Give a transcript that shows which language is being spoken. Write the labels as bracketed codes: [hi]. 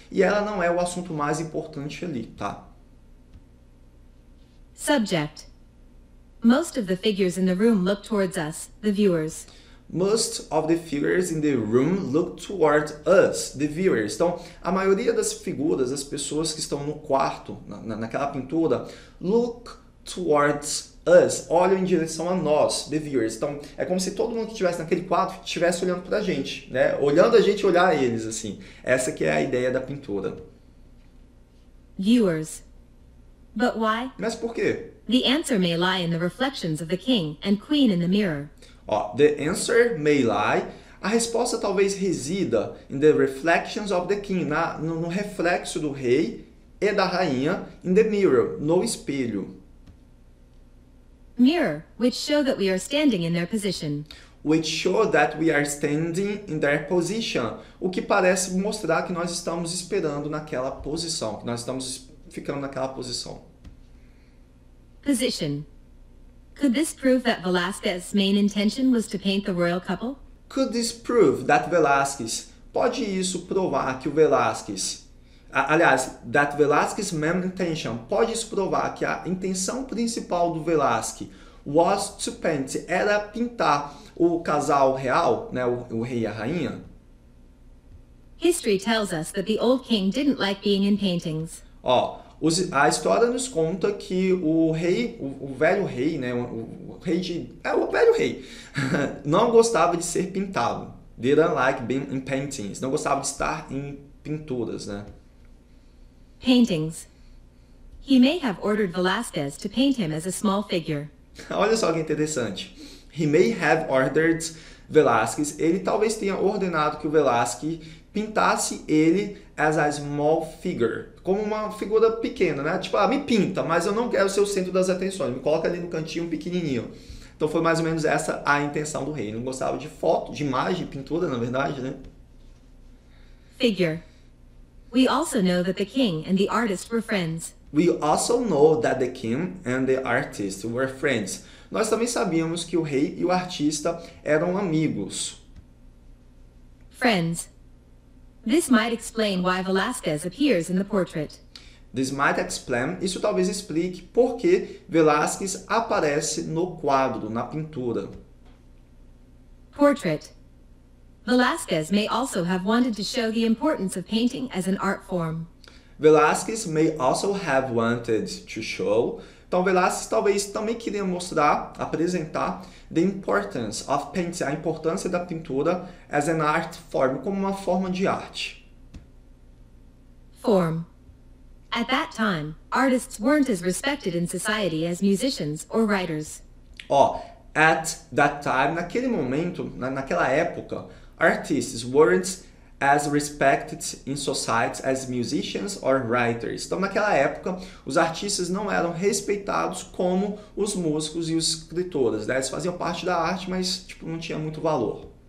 [pt] E ela não é o assunto mais importante ali, tá? [en] Subject. Most of the figures in the room look towards us, the viewers. Most of the figures in the room look towards us, the viewers. [pt] Então, a maioria das figuras, as pessoas que estão no quarto, naquela pintura, [en] look towards us, [pt] olham em direção a nós, [en] the viewers. [pt] Então, é como se todo mundo que estivesse naquele quarto estivesse olhando para a gente, né? Olhando a gente, olhar eles, assim. Essa que é a ideia da pintura. [en] Viewers. But why? [pt] Mas por quê? [en] The answer may lie in the reflections of the king and queen in the mirror. The answer may lie. [pt] A resposta talvez resida [en] in the reflections of the king, [pt] no reflexo do rei e da rainha, [en] in the mirror, [pt] no espelho. [en] Mirror, which show that we are standing in their position. Which show that we are standing in their position. [pt] O que parece mostrar que nós estamos esperando naquela posição, que nós estamos ficando naquela posição. [en] Position. Could this prove that Velázquez's main intention was to paint the royal couple? Could this prove that Velázquez... [pt] Pode isso provar que o Velázquez... Aliás, [en] that Velázquez's main intention... [pt] Pode isso provar que a intenção principal do Velázquez [en] was to paint... [pt] Era pintar o casal real, né, o rei e a rainha? [en] History tells us that the old king didn't like being in paintings. [pt] A história nos conta que o rei, o velho rei, né, o velho rei, não gostava de ser pintado. [en] Didn't like being in paintings. [pt] Não gostava de estar em pinturas, né? [en] Paintings. He may have ordered Velázquez to paint him as a small figure. [pt] Olha só que interessante. [en] He may have ordered Velázquez. [pt] Ele talvez tenha ordenado que o Velázquez pintasse ele [en] as a small figure, [pt] como uma figura pequena, né? Tipo, me pinta, mas eu não quero ser o centro das atenções, me coloca ali no cantinho pequenininho. Então foi mais ou menos essa a intenção do rei, ele não gostava de foto, de imagem, pintura, na verdade, né? [en] Figure. We also know that the king and the artist were friends. We also know that the king and the artist were friends. [pt] Nós também sabíamos que o rei e o artista eram amigos. [en] Friends. This might explain why Velázquez appears in the portrait. This might explain, [pt] isso talvez explique por que Velázquez aparece no quadro, na pintura. [en] Portrait. Velázquez may also have wanted to show the importance of painting as an art form. Velázquez may also have wanted to show. [pt] Então Velázquez talvez também queria mostrar, apresentar [en] the importance of painting, [pt] a importância da pintura [en] as an art form, [pt] como uma forma de arte. [en] Form. At that time, artists weren't as respected in society as musicians or writers. At that time, [pt] naquele momento, naquela época, [en] artists weren't as respected in society as musicians or writers. [pt] Então, naquela época, os artistas não eram respeitados como os músicos e os escritores. Né? Eles faziam parte da arte, mas tipo, não tinha muito valor.